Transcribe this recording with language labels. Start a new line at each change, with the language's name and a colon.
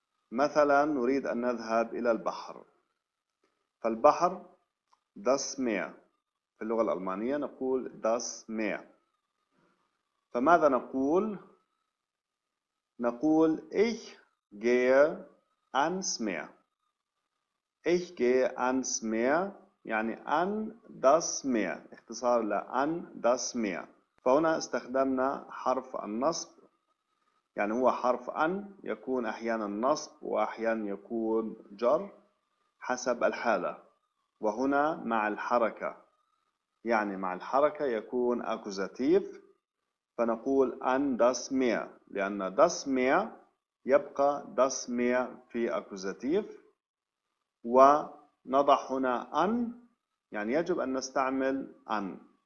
Arabic: مثلا نريد أن نذهب إلى البحر، فالبحر داس مير، في اللغة الألمانية نقول داس مير. فماذا نقول؟ نقول
German: ich gehe ans Meer. Ich gehe ans Meer
Arabic: يعني
German: an das Meer،
Arabic: اختصار ل
German: an das Meer.
Arabic: فهنا استخدمنا حرف النصب، يعني هو حرف أن يكون أحيانا نصب وأحيانا يكون جر حسب الحالة، وهنا مع الحركة، يعني مع الحركة يكون أكوزاتيف، فنقول أن داس مير، لأن داس مير يبقى داس مير في أكوزاتيف، ونضع هنا أن، يعني يجب أن نستعمل أن.